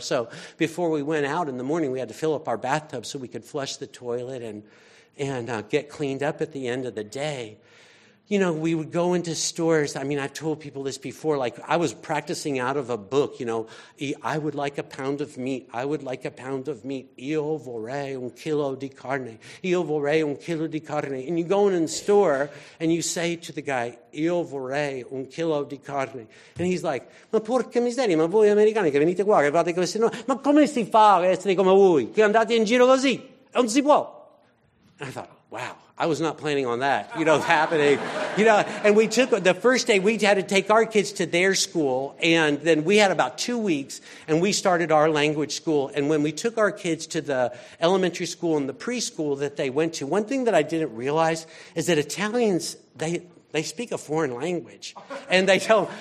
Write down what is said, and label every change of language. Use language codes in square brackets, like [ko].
[en] So before we went out in the morning, we had to fill up our bathtub so we could flush the toilet and get cleaned up at the end of the day. You know, we would go into stores. I mean, I've told people this before. Like, I was practicing out of a book, you know. I would like a pound of meat. I would like a pound of meat. [it] Io vorrei un chilo di carne. Io vorrei un chilo di carne. [en] And you go in the store, and you say to the guy, [it] io vorrei un chilo di carne. [en] And he's like, [it] ma porca miseria, ma voi americani che venite qua, che fate queste cose, ma come si fa a essere come voi? Che andate in giro così? Non si può. [en] And I thought, wow, I was not planning on that, you know, happening, you know. And we took the first day, we had to take our kids to their school. And then we had about 2 weeks and we started our language school. And when we took our kids to the elementary school and the preschool that they went to, one thing that I didn't realize is that Italians, they speak a foreign language. And they don't.